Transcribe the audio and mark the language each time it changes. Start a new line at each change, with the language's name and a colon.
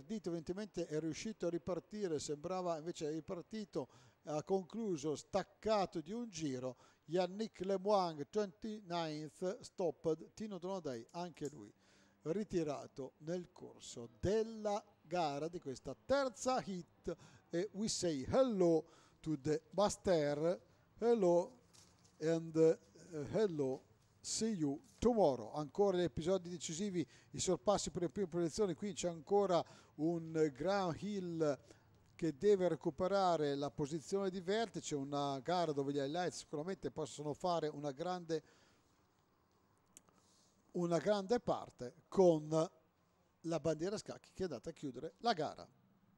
Italian: Ardito evidentemente è riuscito a ripartire, sembrava invece ripartito, ha concluso staccato di un giro. Yannick Lemoang
English: 29th stopped,
Italian: Tino Donadei anche lui ritirato nel corso della gara di questa terza hit.
English: E we say hello to the master, hello and hello, see you tomorrow.
Italian: Ancora gli episodi decisivi, i sorpassi per le prime posizioni, qui c'è ancora un Graham Hill che deve recuperare la posizione di vertice, una gara dove gli highlights sicuramente possono fare una grande parte, con la bandiera scacchi che è andata a chiudere la gara.